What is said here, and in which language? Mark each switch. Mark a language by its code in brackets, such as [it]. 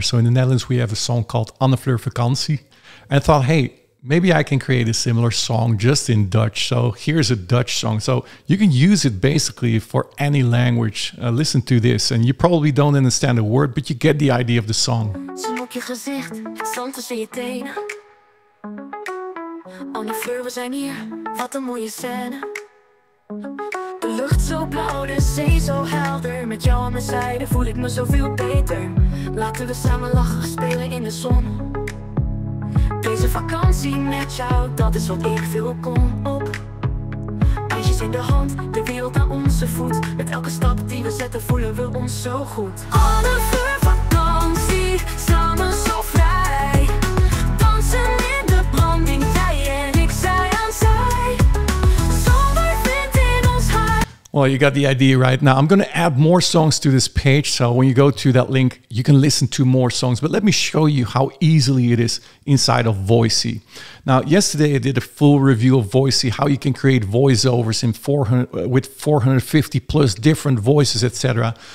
[en] So in the Netherlands, we have a song called Anne Fleur Vakantie. And I thought, hey, maybe I can create a similar song just in Dutch. So here's a Dutch song. So you can use it basically for any language. Listen to this, and you probably don't understand a word, but you get the idea of the song. [nl] Zon op je gezicht, zand tussen je tenen. Anne Fleur, we zijn hier. Wat een mooie scène. De lucht zo blauw, de zee zo helder. Met jou aan mijn zijde voel ik me zoveel beter. Laten we samen lachen, spelen in de zon. Deze vakantie met jou, dat is wat ik wil, kom op. Eisjes in de hand, de wereld aan onze voet. Met elke stap die we zetten voelen we ons zo goed. Anne Fleur vakantie, samen zo vrij. Dansen in de branding, jij en ik zij aan zij. Zomer vindt in ons hart. [en] Well, you got the idea, right? Now I'm gonna add more songs to this page, so when you go to that link, you can listen to more songs. But let me show you how easily it is inside of Voisi. Now, yesterday I did a full review of Voisi, how you can create voiceovers in 400 with 450 plus different voices, etc.